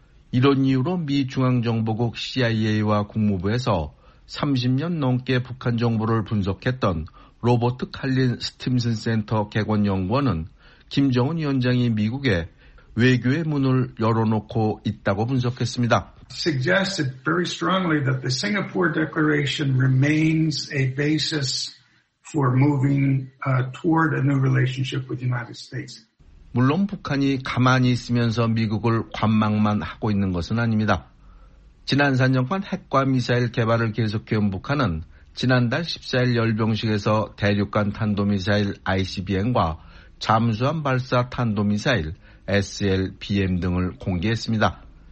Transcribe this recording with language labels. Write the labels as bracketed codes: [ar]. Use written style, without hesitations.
[ko] 이런 이유로 미 중앙정보국 CIA와 국무부에서 30년 넘게 북한 정보를 분석했던 로버트 칼린 스팀슨 센터 객원 연구원은 김정은 위원장이 미국에 외교의 문을 열어놓고 있다고 분석했습니다. [en] Suggested very strongly that the Singapore Declaration remains a basis for moving toward a new relationship with the United States. [ko] 물론 북한이 가만히 있으면서 미국을 관망만 하고 있는 것은 아닙니다. 지난 4년간 핵과 미사일 개발을 계속해온 북한은 지난달 14일 열병식에서 대륙간 탄도미사일 ICBM과 잠수함 발사 탄도미사일 SLBM 등을 공개했습니다.